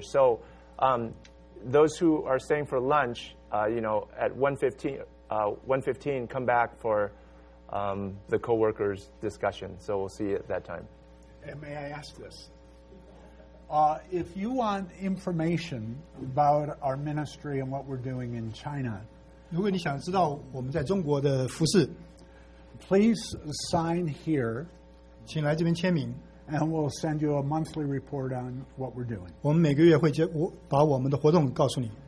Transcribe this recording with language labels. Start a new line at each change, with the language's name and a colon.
English: So those who are staying for lunch, at 1:15, come back for the co-workers' discussion. So we'll see you at that time. And may I ask this? If you want information about our ministry and what we're doing in China,
Chinese: 如果你想知道我们在中国的服事
English: please sign here,
Chinese: 请来这边签名
English: And we'll send you a monthly report on what we're doing.
Chinese: 我们每个月会接把我们的活动告诉你。